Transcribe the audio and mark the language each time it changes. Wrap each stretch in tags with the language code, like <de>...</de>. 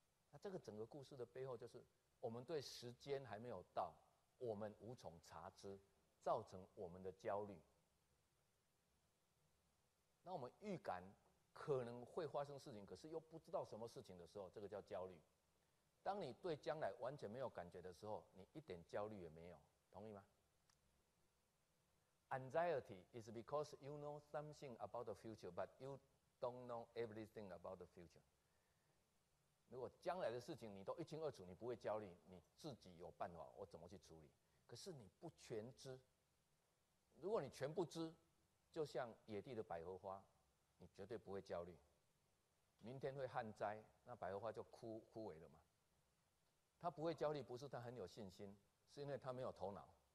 <zh>那这个整个故事的背后，就是我们对时间还没有到，我们无从察知，造成我们的焦虑。那我们预感可能会发生事情，可是又不知道什么事情的时候，这个叫焦虑。当你对将来完全没有感觉的时候，你一点焦虑也没有，同意吗？</zh> <en>Anxiety is because you know something about the future, but you don't know everything about the future.</en> <zh>如果将来的事情你都一清二楚，你不会焦虑，你自己有办法，我怎么去处理？可是你不全知。如果你全不知，就像野地的百合花，你绝对不会焦虑。明天会旱灾，那百合花就枯萎了嘛。他不会焦虑，不是他很有信心，是因为他没有头脑。</zh>